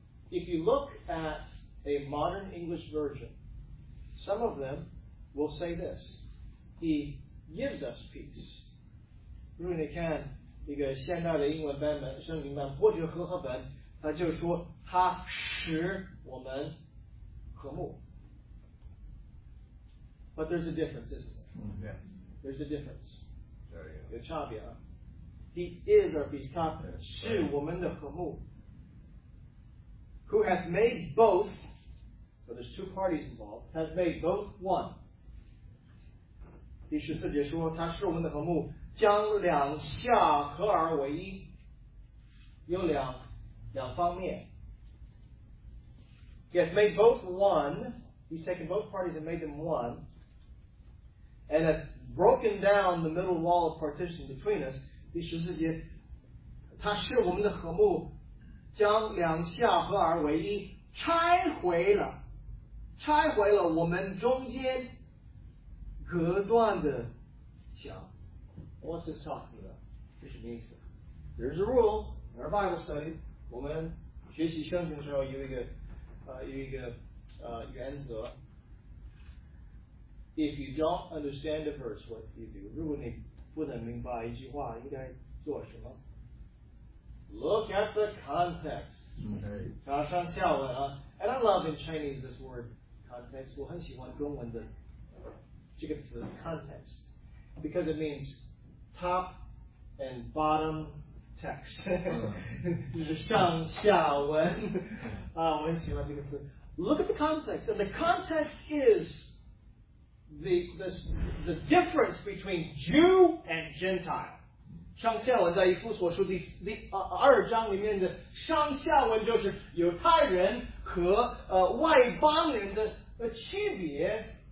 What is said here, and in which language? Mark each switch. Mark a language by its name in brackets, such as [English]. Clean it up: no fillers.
[English] If you look at a modern English version, some of them will say this: "He gives us peace." [Chinese] 如果你看一个现代的英文版本、圣经版或者和合本，他就说他使我们和睦。 [English] But there's a difference, isn't there? Yeah. There's a difference. [Chinese] 有差别啊。 [English] He is our peace. [Chinese] 他是我们的和睦。 [English] Who hath made both, so there's two parties involved, hath made both one. [Chinese] 第十四节说他是我们的和睦，将两下合而为一。有两方面。 [English] He hath made both one, he's taken both parties and made them one, and hath broken down the middle wall of partition between us. [Chinese] 第十四节，他是我们的和睦，将两下合而为一，拆毁了我们中间隔断的墙。 [English] What's this talking about? [Chinese] 这是什么意思？ [English] There's a rule in our Bible study. [Chinese] 我们学习圣经的时候有一个原则。 [English] If you don't understand the verse, what do you do? [Chinese] 如果你不能明白一句话，应该做什么？ [English] Look at the context. [Chinese] 查上下文啊。 [English] And I love in Chinese this word, context, [Chinese] 我很喜欢中文的 这个词 [English] context, because it means top and bottom text. [Chinese] 就是上下文啊，我很喜欢这个词。 [English] Look at the context, and the context is the difference between Jew and Gentile. [Chinese] 上下文在以弗所书第二章里面的上下文就是犹太人和外邦人的区别。